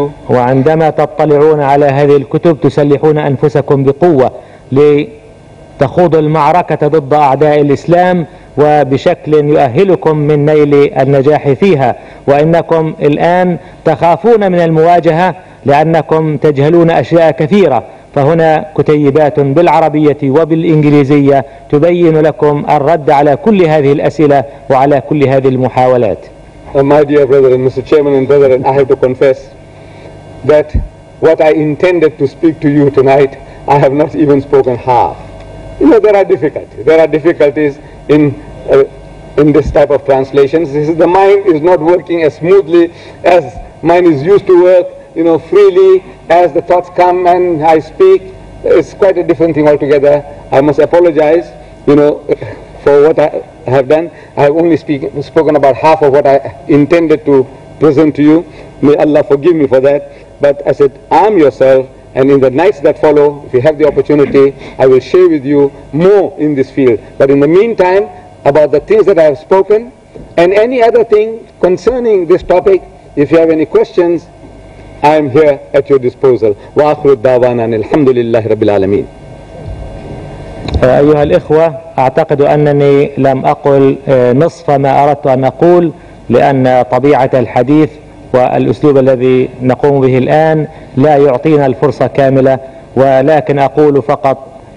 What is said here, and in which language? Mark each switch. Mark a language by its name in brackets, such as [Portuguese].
[Arabic] وعندما تطلعون على هذه الكتب تسلحون أنفسكم بقوة لتخوضوا المعركة ضد أعداء الإسلام وبشكل يؤهلكم من نيل النجاح فيها وإنكم الآن تخافون من المواجهة لأنكم تجهلون أشياء كثيرة فهنا كتيبات بالعربية وبالإنجليزية تبين لكم الرد على كل هذه الأسئلة وعلى كل هذه المحاولات. [English] My dear brethren, Mr. Chairman and brethren, I have to confess that what I intended to speak to you tonight, I have not even spoken half. You know, there are difficulties. There are difficulties in this type of translations. This is, the mind is not working as smoothly as mine is used to work, you know, freely as the thoughts come and I speak. It's quite a different thing altogether. I must apologize, you know, for what I have done. I have only spoken about half of what I intended to present to you. May Allah forgive me for that. But I said, arm yourself, and in the nights that follow, if you have the opportunity, I will share with you more in this field. But in the meantime, about the things that I have spoken, and any other thing concerning this topic, if you have any questions, I am here at your disposal. [Arabic] Wa akhiru da'wana alhamdulillahi rabbil alameen. أيها الإخوة أعتقد أنني لم أقل نصف ما أردت أن أقول لأن طبيعة الحديث والأسلوب الذي نقوم به الآن لا يعطينا الفرصة كاملة ولكن أقول فقط